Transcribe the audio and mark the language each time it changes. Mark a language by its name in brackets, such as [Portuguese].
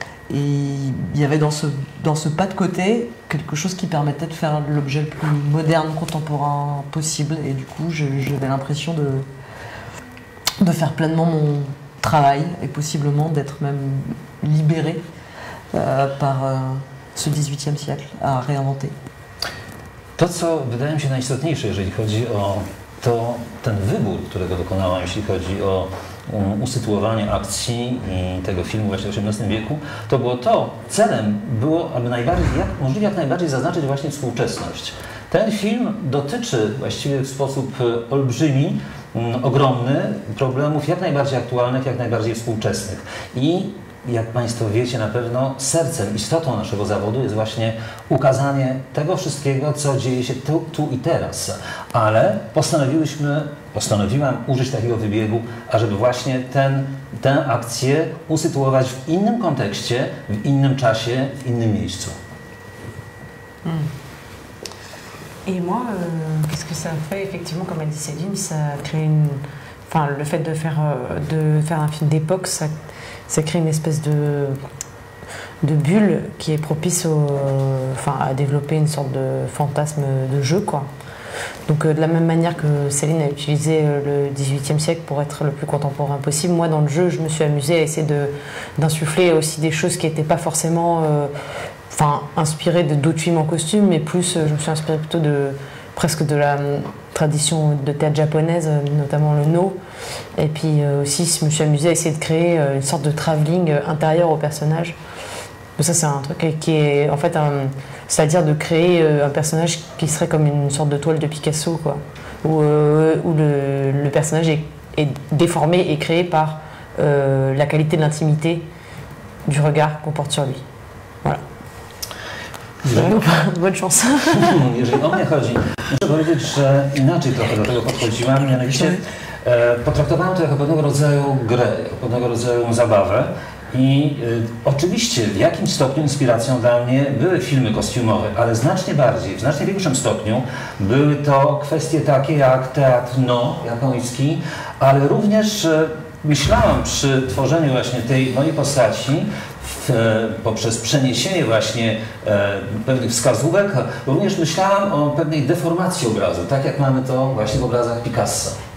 [French] Et il y avait dans ce pas de côté quelque chose qui permettait de faire l'objet le plus moderne, contemporain possible. Et du coup, j'avais l'impression de faire pleinement mon travail et possiblement d'être même libérée par ce 18e siècle à réinventer. [Polish] To, co wydaje mi się najistotniejsze, jeżeli chodzi o to, ten wybór, którego dokonałem, jeśli chodzi o usytuowanie akcji i tego filmu właśnie w XVIII wieku, to było to, celem było, aby jak najbardziej zaznaczyć właśnie współczesność. Ten film dotyczy właściwie w sposób olbrzymi, ogromny, problemów jak najbardziej aktualnych, jak najbardziej współczesnych. I jak Państwo wiecie, na pewno sercem, istotą naszego zawodu jest właśnie ukazanie tego wszystkiego, co dzieje się tu i teraz. Ale postanowiłam użyć takiego wybiegu, ażeby właśnie tę akcję usytuować w innym kontekście, w innym czasie, w innym miejscu. [French] Et moi, qu'est-ce que ça fait, effectivement, comme a dit Céline, ça crée une... Enfin, le fait de faire un film d'époque, ça crée une espèce de bulle qui est propice à développer une sorte de fantasme de jeu, quoi. Donc, de la même manière que Céline a utilisé le 18e siècle pour être le plus contemporain possible, moi, dans le jeu, je me suis amusée à essayer d'insuffler aussi des choses qui n'étaient pas forcément inspirées d'autres films en costume, mais plus, je me suis inspirée plutôt de presque de la tradition de théâtre japonaise, notamment le no. Et puis aussi, je me suis amusée à essayer de créer une sorte de travelling intérieur au personnage. Donc ça, c'est un truc qui est en fait, c'est-à-dire de créer un personnage qui serait comme une sorte de toile de Picasso, quoi, où le personnage est déformé et créé par la qualité de l'intimité du regard qu'on porte sur lui. Voilà. Bonne chance. [Polish] Jeżeli o mnie chodzi, muszę powiedzieć, że inaczej trochę do tego podchodziłam, mianowicie potraktowałem to jako pewnego rodzaju grę, pewnego rodzaju zabawę, I oczywiście w jakim stopniu inspiracją dla mnie były filmy kostiumowe, ale znacznie bardziej, w znacznie większym stopniu były to kwestie takie jak teatr no japoński, ale również myślałem przy tworzeniu właśnie tej mojej postaci poprzez przeniesienie właśnie pewnych wskazówek, również myślałem o pewnej deformacji obrazu, tak jak mamy to właśnie w obrazach Picasso.